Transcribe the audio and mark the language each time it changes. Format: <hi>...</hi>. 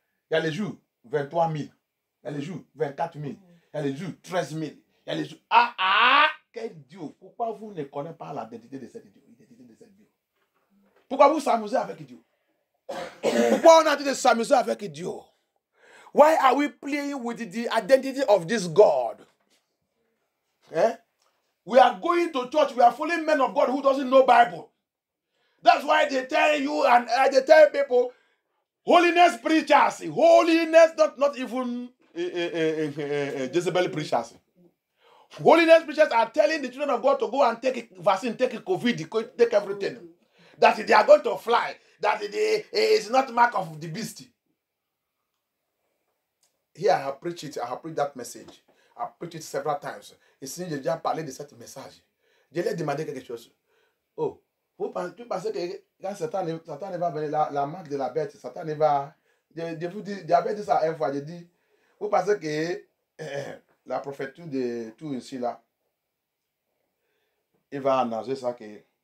<fr>Il y a les jours, 23 000. Il y a les jours, 24 000. Il y a les jours, 13 000. Il y a les jours, quel Dieu! Pourquoi vous ne connaissez pas l'identité de cet Dieu? Pourquoi vous s'amusez avec Dieu? Pourquoi on a dit de s'amuser avec Dieu?</fr> <en>Why are we playing with the identity of this God? Eh? We are going to church. We are following men of God who doesn't know Bible. That's why they tell you and they tell people, holiness preachers, holiness, not even Jezebel preachers. Holiness preachers are telling the children of God to go and take a vaccine, take a COVID, take everything. That they are going to fly, that it's not mark of the beast. Here, I have preached it, I have preached that message. I preached it several times.</en> <fr>Et si j'ai déjà parlé de cette message, je lui ai demandé quelque chose. Oh, tu pensais que quand Satan ne va venir, la marque de la bête, Satan ne va. J'avais dit ça une fois, j'ai dit, vous pensez que la prophétie de tout ici là, il va annoncer ça que.</fr>